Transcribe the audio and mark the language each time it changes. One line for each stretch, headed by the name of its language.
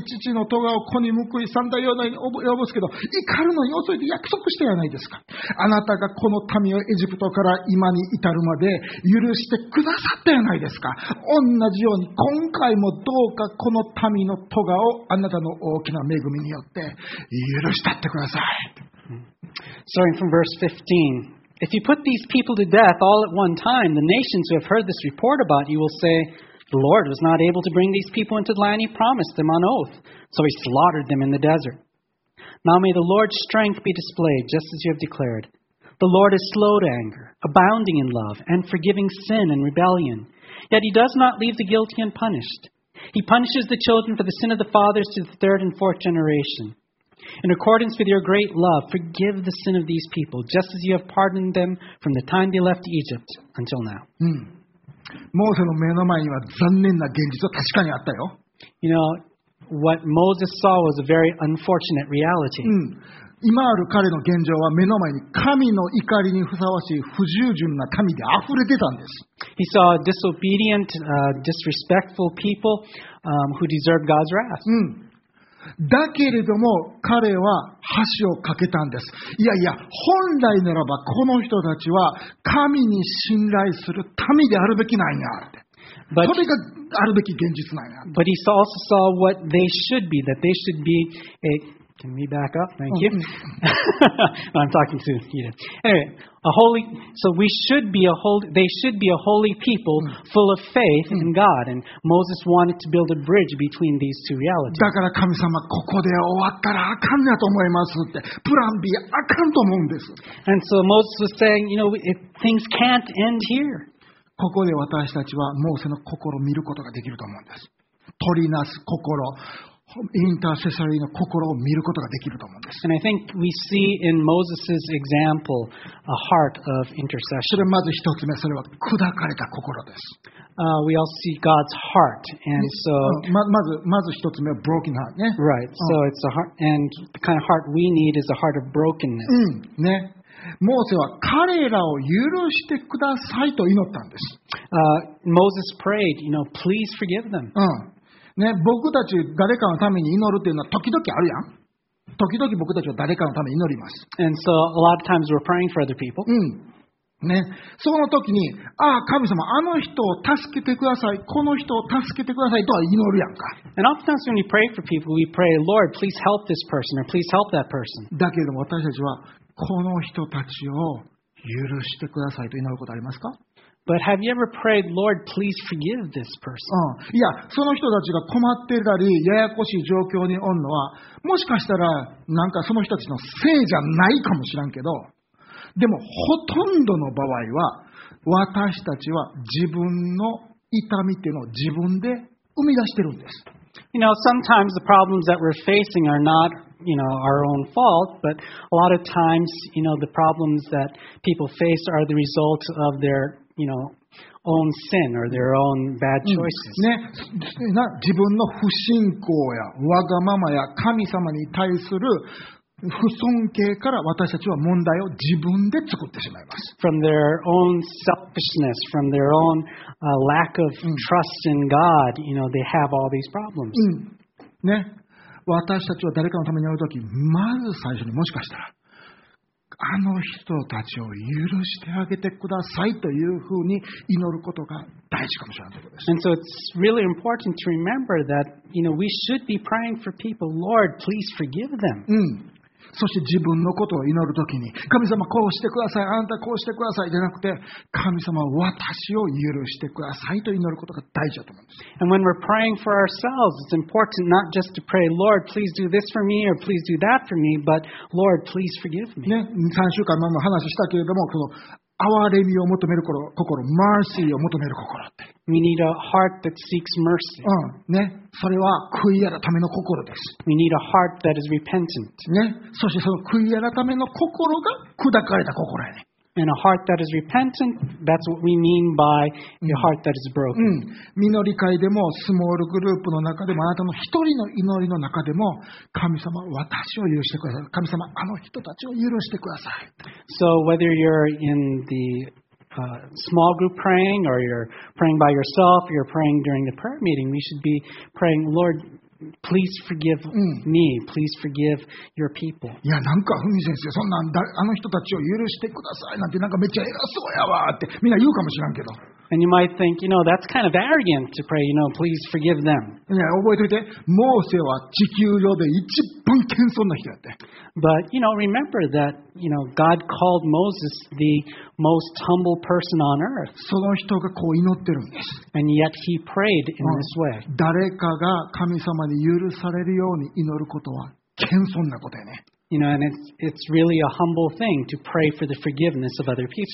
Japanese: して父の咎を子に報い三代世代に及ぼすけど怒るのに遅いと約束したじゃないですか。あなたがこの民をエジプトから今に至るまで許してくださったじゃないですか。同じように今回もどうかこの民の咎をあなたの大きな恵みによって許したってください。
English: Starting from verse 15. If you put these people to death all at one time, the nations who have heard this report about you will say, The Lord was not able to bring these people into the land He promised them on oath, so He slaughtered them in the desert. Now may the Lord's strength be displayed, just as you have declared. The Lord is slow to anger, abounding in love, and forgiving sin and rebellion. Yet He does not leave the guilty unpunished. He punishes the children for the sin of the fathers to the third and fourth generation. In accordance with your great love, forgive the sin of these people, just as you have pardoned them from the time they left Egypt until now.、
Japanese: うん、モーセの目の前には残念な現実は確かにあったよ。
English: You know, what Moses saw was a very unfortunate reality.、
Japanese: うん、今ある彼の現状は目の前に神の怒りにふさわしい不従順な民で溢れてたんです。
English: He saw disobedient, disrespectful people, who deserved God's wrath.、
Japanese: うんだけれども彼は橋を架けたんです。いやいや本来ならばこの人たちは神に信頼する民であるべきなんやって
English: but,
Japanese: それがあるべき現実なんや
English: but he also saw what they should be that they should be a can we back up? Thank you、mm-hmm. I'm talking to you anyway, a holy, so we should be a holy, they should be a holy people full of faith in God and Moses wanted to build a bridge between these two realities
Japanese: だから神様ここで終わったらあかんやと思いますってプラン B あかんと思うんです
English: and so Moses was saying you know, if things can't end here
Japanese: ここで私たちはモーセの心を見ることができると思うんです取りなす心インターセサリーの心を見ることができると思うんです。
English: And I think we see in Moses' example a heart of intercession.
Japanese: それまず一つ目、それは砕かれた心です。
English: We all see God's heart. And so,
Japanese: まず一つ目は
English: broken heart
Japanese: ね。
English: Right. So it's a heart, and the kind of heart we need is a heart of brokenness.
Japanese: うん。ね。モーセは彼らを許してくださいと祈ったんです。
English: Moses prayed, you know, please forgive them.
Japanese: うん。ね、僕たち誰かのために祈るというのは時々あるやん。時々僕たちは誰かのために祈ります。
English: And so a lot of times we're praying for other people.
Japanese: うん。ね。その時に、ああ、神様、あの人を助けてください。この人を助けてくださいとは祈るやんか。
English: And oftentimes when we pray for people, we pray, Lord, please help this person or please help that person.
Japanese: だけども私たちは、この人たちを許してくださいと祈ることありますか?
English: But have you ever prayed, Lord, please forgive this person?
Japanese: いや、その人たちが困ってたり、ややこしい状況におんのは、もしかしたら、なんかその人たちのせいじゃないかもしらんけど、でも、ほとんどの場合は、私たちは自分の痛みっていうのを自分で生み出してるんです。
English: You know, sometimes the problems that we're facing are not... You know, our own fault, but a lot of times, you know, the problems that people face are the result of their, you know, own sin or their own bad choices.
Japanese: ね、な、自分の不信仰やわがままや神様に対する不尊敬から私たちは問題を自分で作ってしまいます。
English: From their own selfishness, from their own lack of trust in God, you know, they have all these problems.
Japanese: ね。私たちは誰かのために会うとき、まず最初にもしかしたら、あの人たちを許してあげてくださいというふうに祈ることが大事かもしれないということです。
English: And so it's really important to remember that, you know, we should be praying for people, Lord, please forgive them.
Japanese: うん。そして自分のことを祈るときに、神様こうしてください、あなたこうしてくださいじゃなくて、神様私を許してくださいと祈ることが大事だと思うんです。
English: And when we're praying for ourselves, it's important not just to pray, Lord, please do this for me or please do that for me, but Lord, please forgive me.
Japanese: ね、3週間前の話したけれども、この憐れみを求める心、mercy を求める心って。
English: We need a heart that seeks mercy.
Japanese: うん。ね。それは悔い改めの心です。
English: We need a heart that is repentant.
Japanese: ね。そしてその悔い改めの心が砕かれた心やね。
English: And a heart that is repentant, that's what we mean by a heart that is broken.
Japanese: うん。祈り会でも、スモールグループの中でも、あなたの一人の祈りの中でも、神様、私を許してください。神様、あの人たちを許してください。
English: So whether you're in the small group praying, or you're praying by yourself, or you're praying during the prayer meeting, we should be praying, Lord, Please forgive me. Please forgive your people.
Japanese: いや、なんか、ふみ先生、そんなんだ、あの人たちを許してくださいなんて、なんかめっちゃ偉そうやわって、みんな言うかもしらんけど。
English: And you might think, you know, that's kind of arrogant to pray, you know, please forgive them.
Japanese: いや、覚えておいて。モーセは地球上で一番謙遜な人やって。
English: But, you know, remember that, you know, God called Moses the most humble person on earth.
Japanese: その人がこう祈ってるんです。
English: And yet he prayed in this way.
Japanese: 誰かが神様に許されるように祈ることは謙遜なことやね。
English: You know, and it's really a humble thing to pray for the forgiveness of other people.